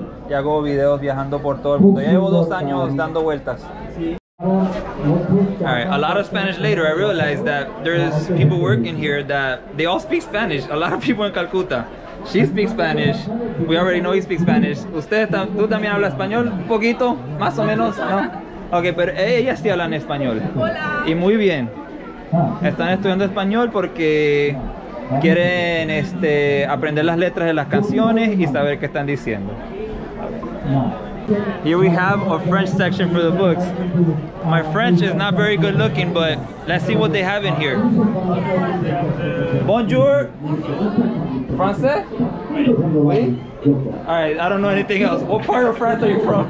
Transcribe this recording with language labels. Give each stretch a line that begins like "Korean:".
Spanish: Y hago videos viajando por todo el mundo. Ya llevo 2 años dando vueltas.
English: All right, a lot of Spanish later, I realized that there's people working here that they all speak Spanish. A lot of people in Calcuta. She speaks Spanish. We already know he speaks Spanish.
Spanish: Usted, tú también hablas español, un poquito, más o menos, ¿no? Okay, pero ellas sí hablan español. Hola. Y muy bien. Están estudiando español porque quieren aprender las letras de las canciones y saber qué están diciendo.
English: Here we have a French section for the books. My French is not very good looking, but let's see what they have in here.
French: Bonjour. Français? Oui.
English: All right, I don't know anything else. What part of France are you from?